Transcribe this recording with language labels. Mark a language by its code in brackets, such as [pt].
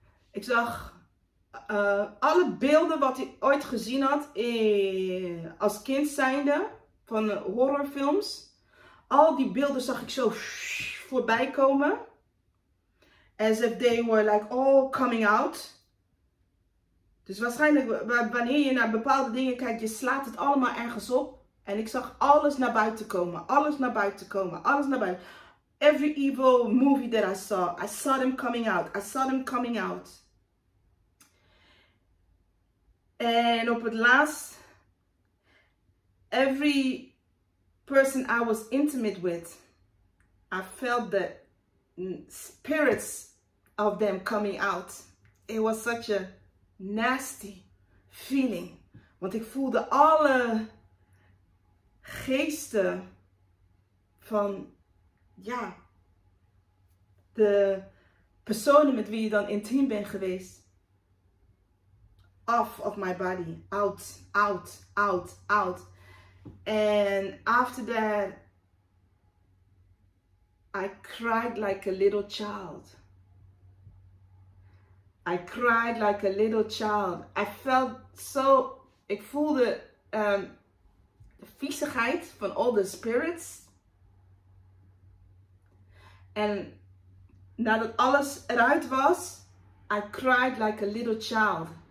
[nl] Ik zag alle beelden wat ik ooit gezien had als kind zijnde van horrorfilms. Al die beelden zag ik zo voorbij komen. [en] As if they were like all coming out. [nl] Dus waarschijnlijk wanneer je naar bepaalde dingen kijkt, je slaat het allemaal ergens op. En ik zag alles naar buiten komen, alles naar buiten komen, alles naar buiten. [en] Every evil movie that I saw them coming out. I saw them coming out. [nl] En op het laatst, [en] every person I was intimate with, I felt the spirits of them coming out. It was such a nasty feeling. [nl] Want ik voelde alle geesten van, ja, de personen met wie je dan intiem bent geweest. [en] Off of my body. Out, out, out, out. And after that, I cried like a little child. I cried like a little child. I felt so, [nl] ik voelde de viezigheid van [en] all the spirits. [nl] En nadat alles eruit was, [en] I cried like a little child.